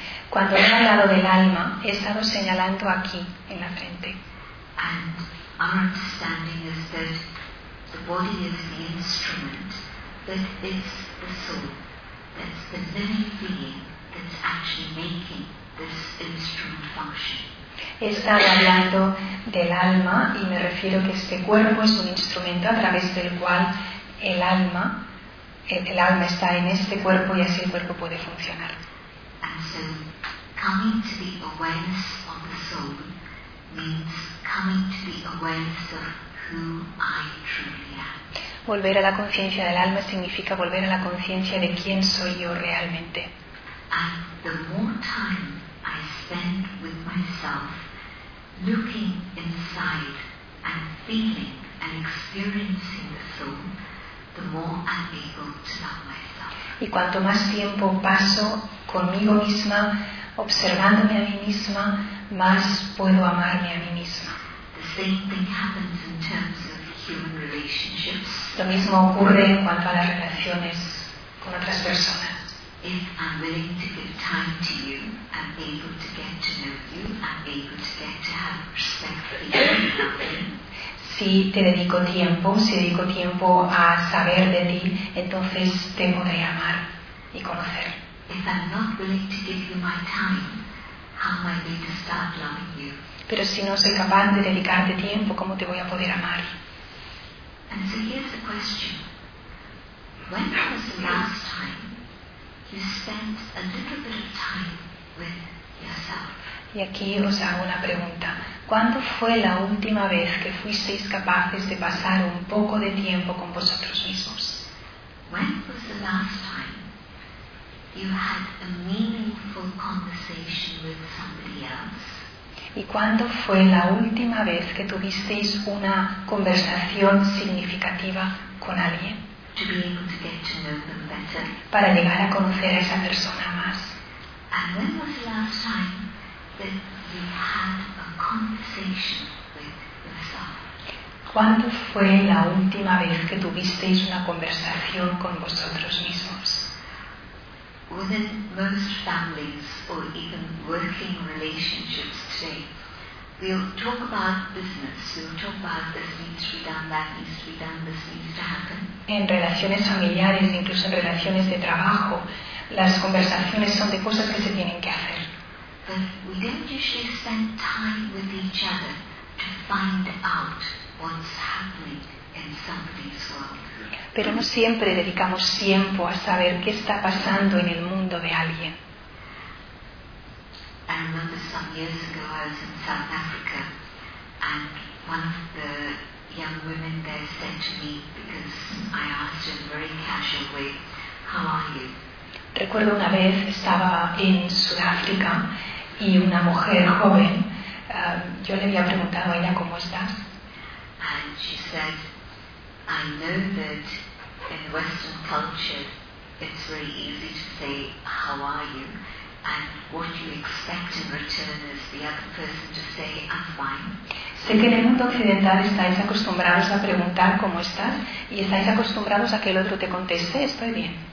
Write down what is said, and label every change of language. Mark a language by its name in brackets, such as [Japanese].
[Spanish] Cuando he hablado del alma, he estado señalando aquí en la frente. [English] And our understanding is that the body is the instrument, but it's the soul, that's the living being that's actually making this instrument function. [Spanish] He estado hablando del alma y me refiero que este cuerpo es un instrumento a través del cual el alma está en este cuerpo y así el cuerpo puede funcionar. [English] And so, coming to the awareness of the soul means coming to the awareness of who I truly am. [Spanish] Volver a la conciencia del alma significa volver a la conciencia de quién soy yo realmente. [English] And the more time I spend with myself, looking inside and feeling and experiencing the soul, the more I'm able to love myself. [Spanish] Y cuanto más tiempo paso conmigo misma, observándome a mí misma, más puedo amarme a mí misma. [English] The same thing happens in terms of human relationships. [Spanish] Lo mismo ocurre en cuanto a las relaciones con otras personas. [English] If I'm willing to give time to you, I'm able to get to know you, I'm able to get to have respect for you. [Spanish] Si te dedico tiempo, si dedico tiempo a saber de ti, entonces te podré amar y conocer. [English] If I'm not willing to give you my time, how am I going to start loving you? [Spanish] Pero si no soy capaz de dedicarte tiempo, ¿cómo te voy a poder amar? [English] And so here's the question. When was the last time you spent a little bit of time with yourself? [Spanish] Y aquí os hago una pregunta. ¿Cuándo fue la última vez que fuisteis capaces de pasar un poco de tiempo con vosotros mismos? [English] When was the last time you had a meaningful conversation with somebody else? [Spanish] ¿Y cuándo fue la última vez que tuvisteis una conversación significativa con alguien? [English] To be able to get to know them better. [Spanish] Para llegar a conocer a esa persona más. [English] And when was the last time that you had a conversation with yourself? [Spanish] ¿Cuándo fue la última vez que tuvisteis una conversación con vosotros mismos? [English] Within most families or even working relationships today, we'll talk about business, we'll talk about this needs to be done, that needs to be done, this needs to happen. [Spanish] En relaciones familiares, incluso en relaciones de trabajo, las conversaciones son de cosas que se tienen que hacer. [English] But we don't usually spend time with each other find out what's happening in somebody's world. [Spanish] Pero no siempre dedicamos tiempo a saber qué está pasando en el mundo de alguien. [English] I remember some years ago I was in South Africa and one of the young women there said to me, because I asked in a very casual way, how are you? [Spanish] Recuerdo una vez estaba en Sudáfrica y una mujer joven, yo le había preguntado a ella cómo estás. [English] And she said, I know that in Western culture it's very easy to say how are you, and what you expect in return is the other person to say I'm fine. [Spanish] Sé que en el mundo occidental estáis acostumbrados a preguntar cómo estás y estáis acostumbrados a que el otro te conteste estoy bien.